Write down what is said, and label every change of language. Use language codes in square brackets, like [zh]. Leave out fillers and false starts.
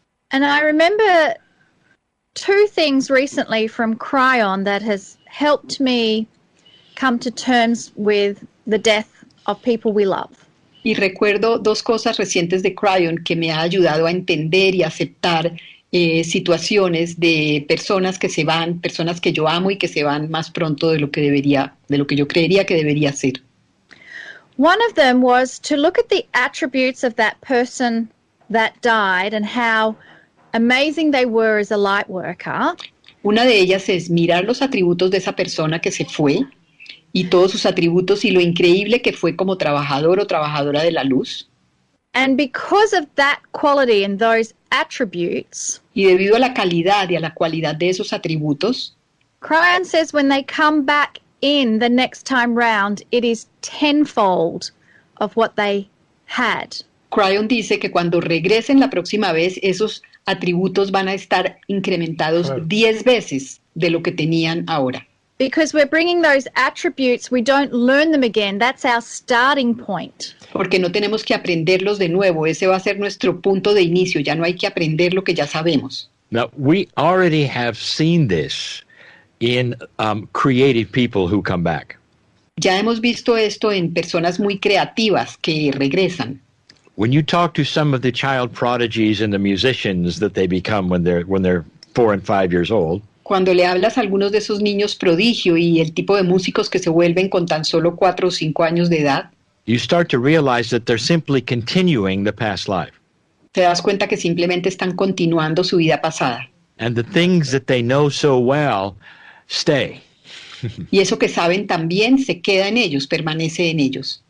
[en] And I remember two things recently from Crayon that has helped me come to terms with the death of people we love. [es] Y recuerdo dos cosas recientes de Crayon que me ha ayudado a entender y aceptar situaciones de personas que se van, personas que yo amo y que se van más pronto de lo que yo creería que debería ser. [en] One of them was to look at the attributes of that person that died and how amazing they were as a light worker. [es] Una de ellas es mirar los atributos de esa persona que se fue y todos sus atributos y lo increíble que fue como trabajador o trabajadora de la luz. [en] And because of that quality and those attributes, [es] y debido a la calidad y a la cualidad de esos atributos, [en] Crayon says when they come back in the next time round, it is tenfold of what they had. [es] Crayon dice que cuando regresen la próxima vez, esos atributos van a estar incrementados 10 veces de lo que tenían ahora. [en] Because we're bringing those attributes, we don't learn them again. That's our starting point. [es] Porque no tenemos que aprenderlos de nuevo. Ese va a ser nuestro punto de inicio. Ya no hay que aprender lo que ya sabemos. [en] Now, we already have seen this in creative people who come back. [es] Ya hemos visto esto en personas muy creativas que regresan. [en] When you talk to some of the child prodigies and the musicians that they become when they're 4 and 5 years old. [es] Cuando le hablas a algunos de esos niños prodigio y el tipo de músicos que se vuelven con tan solo 4 o 5 años de edad. [en] you start to realize that they're simply continuing the past life. [es] Te das cuenta que simplemente están continuando su vida pasada. [en] And the things that they know so well stay. [es] Y eso que saben también se queda en ellos, permanece en ellos.